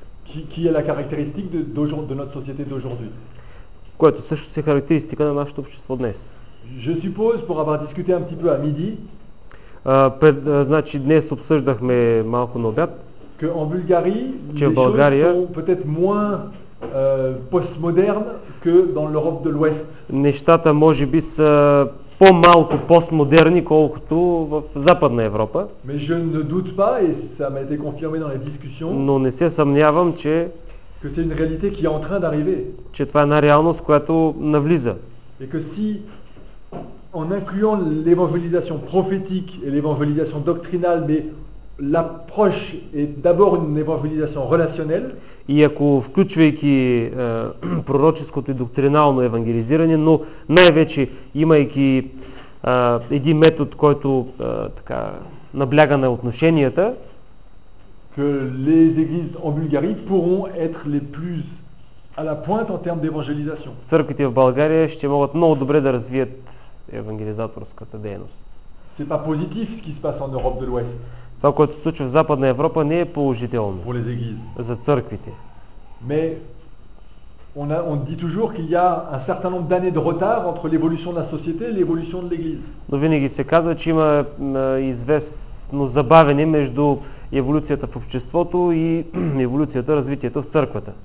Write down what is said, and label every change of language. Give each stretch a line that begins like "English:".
French: Qui est la caractéristique de notre société d'aujourd'hui.
Bulgarian: Което също е характеристика на нашето общество днес.
French: Je suppose pour avoir discuté un petit peu à midi.
Bulgarian: Значи днес обсъждахме малко на обяд.
French: Que en Bulgarie, les choses sont peut-être moins постмодерна, que dans l'Europe de l'Ouest.
Bulgarian: Нещата може би са по-малко постмодерни, колкото в Западна Европа.
French: Mais je ne doute pas et ça m'a été confirmé dans les discussions.
Bulgarian: Но не се съмнявам, че
French: que c'est une réalité qui est en train d'arriver.
Bulgarian: Че това е една реалност, която навлиза.
French: Et que si en incluant l'évangélisation prophétique et l'évangélisation doctrinale, mais l'approche est d'abord une évangélisation relationnelle.
Bulgarian: И ако включвайки пророческото и доктринално евангелизиране, но най-вече имайки един метод, който така набляга на отношенията,
French: que les églises en Bulgarie pourront être les plus à la pointe en termes d'évangélisation.
Bulgarian: Църквите в България ще могат много добре да развият евангелизаторската дейност.
French: C'est pas positif ce qui se passe en Europe de l'Ouest.
Bulgarian: Това, което се случва в Западна Европа, не е положително
French: pour les églises.
Bulgarian: За църквите.
French: Mais on dit toujours qu'il y a un certain nombre d'années de retard entre l'évolution de la société et l'évolution de l'église.
Bulgarian: Но винаги се казва, че има известно забавене между еволюцията в обществото и еволюцията, развитието в църквата.